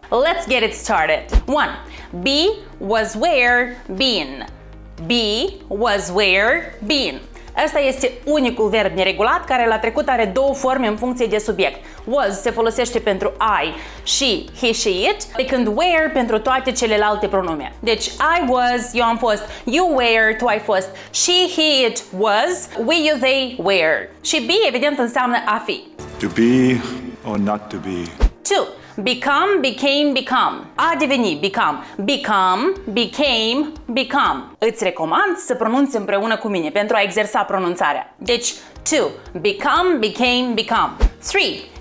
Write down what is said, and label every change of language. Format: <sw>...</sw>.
<en>Let's get it started! 1. Be was where been. Be was where been.</en> <ro>Ăsta este unicul verb neregulat care la trecut are două forme în funcție de subiect. Was se folosește pentru I și he, she, it, de când where pentru toate celelalte pronume.</ro> <en>Deci I was,</en> <ro>eu am fost,</ro> <en>you were,</en> <ro>tu ai fost,</ro> <en>she, he, it, was, we, you, they, were.</en> <ro>Și be, evident, înseamnă a fi.</ro> <en>To be or not to be. 2. Become, became, become.</en> <ro>A deveni,</ro> <en>become. Become, became, become.</en> <ro>Îți recomand să pronunți împreună cu mine pentru a exersa pronunțarea. Deci,</ro> <en>2. Become, became, become. 3.</en>